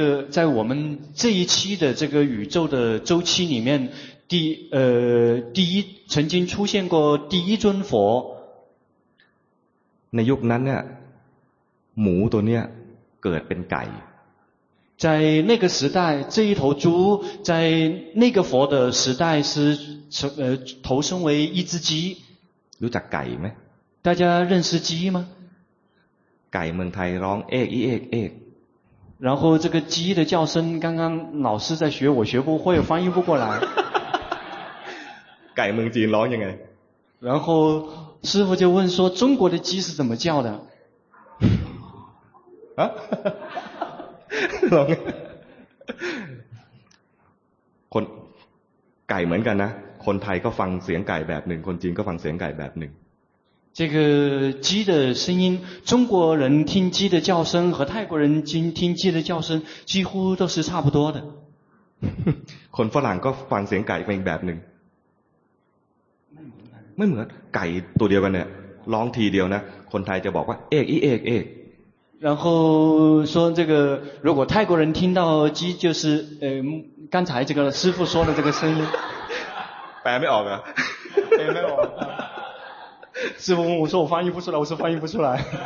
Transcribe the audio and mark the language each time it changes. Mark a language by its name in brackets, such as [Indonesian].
[Chinese] 在我们这一期的这个宇宙的周期里面第一曾经出现过第一尊佛 [Thai] ในยุคนั้นเนี่ยหมูตัวเนี้ยเกิดเป็นไก่ [Chinese] 在那个时代这一头猪在那个佛的时代是投生为一只鸡 [Thai] รู้จักไก่ไหม [Chinese] 大家认识鸡吗 [Thai] ไก่เมืองไทยร้องเอกเอกเอก [Chinese] 然后这个鸡的叫声刚刚老师在学我学不会翻译不过来 [Thai] ไก่เมืองจีนร้องยังไง [Chinese] 然后师父就问说中国的鸡是怎么叫的 [Thai] ร้องคนไก่เหมือนกันนะคนไทยก็ฟังเสียงไก่แบบหนึ่งคนจีนก็ฟังเสียงไก่แบบหนึ่ง [Chinese] 这个鸡的声音中国人听鸡的叫声和泰国人听鸡的叫声几乎都是差不多的 [Thai] คนฝรั่งก็ฟังเสียงไก่เป็นอีกแบบหนึ่งไม่เหมือนไก่ตัวเดียวกันเนี่ยร้องทีเดียวนะคนไทยจะบอกว่าเอกอีเอกเอก [Chinese] 然后说这个，如果泰国人听到鸡，就是刚才这个师父说的这个声音。白没熬的。白没熬。师父，我说我翻译不出来，我说翻译不出来。